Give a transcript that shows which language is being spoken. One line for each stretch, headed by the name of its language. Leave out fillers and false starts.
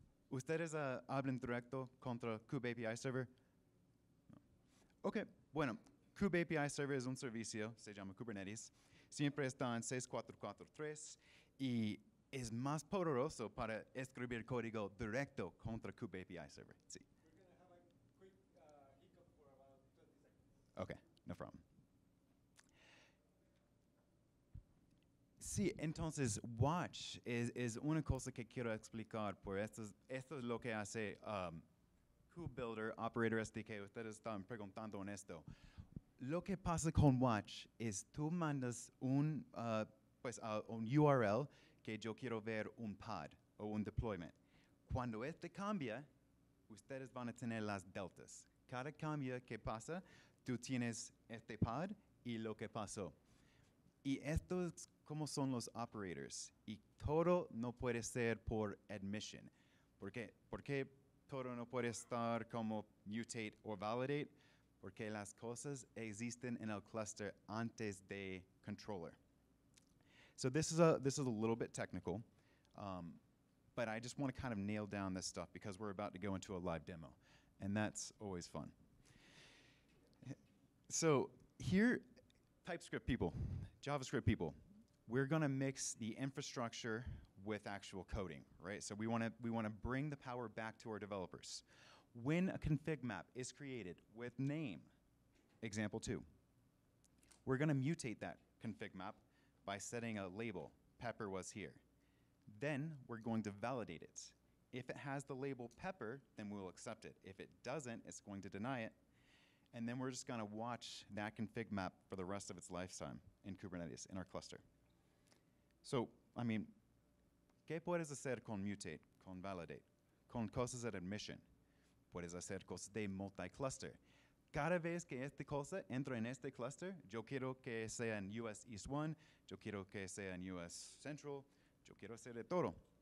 Spanish: ¿Ustedes hablan directo contra Kube API server? No. Ok, bueno, Kube API server es un servicio, se llama Kubernetes. Siempre está en 6443 y es más poderoso para escribir código directo contra Kube API server. Sí.
English: We're going to have a quick hiccup for about 20 seconds. Okay, no problem.
Spanish: Sí, entonces, watch es una cosa que quiero explicar. Por esto es lo que hace KubeBuilder, Operator SDK. Ustedes están preguntando en esto. Lo que pasa con Watch es tú mandas un URL que yo quiero ver un pod o un deployment. Cuando este cambia, ustedes van a tener las deltas. Cada cambio que pasa, tú tienes este pod y lo que pasó. Y esto es como son los operators. Y todo no puede ser por admission. ¿Por qué? Porque todo no puede estar como mutate o validate. Porque las cosas existen en el cluster antes de controller.
English: So this is a little bit technical, but I just want to kind of nail down this stuff because we're about to go into a live demo, and that's always fun. So here, TypeScript people, JavaScript people, we're going to mix the infrastructure with actual coding, right? So we want to bring the power back to our developers. When a config map is created with name, example two, we're going to mutate that config map by setting a label, Pepr was here. Then we're going to validate it. If it has the label Pepr, then we'll accept it. If it doesn't, it's going to deny it. And then we're just going to watch that config map for the rest of its lifetime in Kubernetes, in our cluster. So, I mean,
Spanish: ¿qué puedes hacer con mutate, con validate, con cosas de admisión? Puedes hacer cosas de multi-cluster. Cada vez que esta cosa entra en este cluster, yo quiero que sea en US East 1, yo quiero que sea en US Central, yo quiero hacer de todo.